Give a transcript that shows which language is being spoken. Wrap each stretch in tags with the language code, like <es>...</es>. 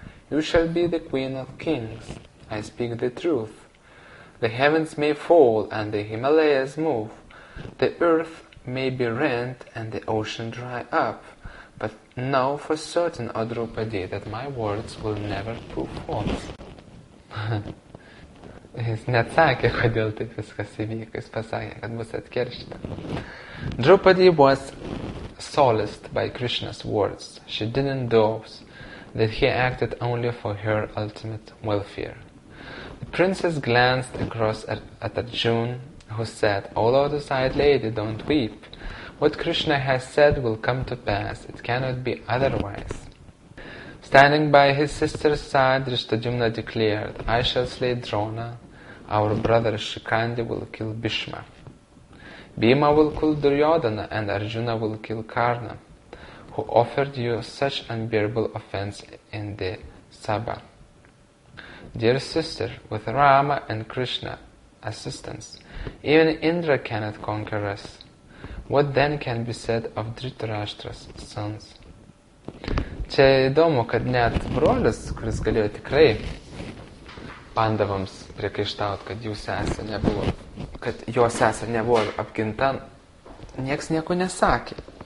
<en>You shall be the queen of kings. I speak the truth. The heavens may fall and the Himalayas move. The earth may be rent and the ocean dry up. But know for certain, O Draupadi, that my words will never prove false.</en> <lt>Jis neatsakė, kodėl taip viskas įvyko. Jis pasakė, kad bus atkeršta.</lt> <en>Draupadi was solaced by Krishna's words. She didn't doubt that he acted only for her ultimate welfare. The princess glanced across at Arjuna, who said, O lotus-eyed lady, don't weep. What Krishna has said will come to pass. It cannot be otherwise. Standing by his sister's side, Drishtadyumna declared, I shall slay Drona. Our brother Shikhandi will kill Bhishma. Bhima will kill Duryodhana and Arjuna will kill Karna, who offered you such unbearable offense in the Sabha. Dear sister, with Rama and Krishna assistance, even Indra cannot conquer us. What then can be said of Dhritarashtra's sons?</en> <lt>Čia įdomu, kad net brolis, kuris galėjo tikrai Pandavams priekaištaut, kad jų sesė nebuvo, kad jo sesė nebuvo apginta, nieks nieko nesakė.</lt>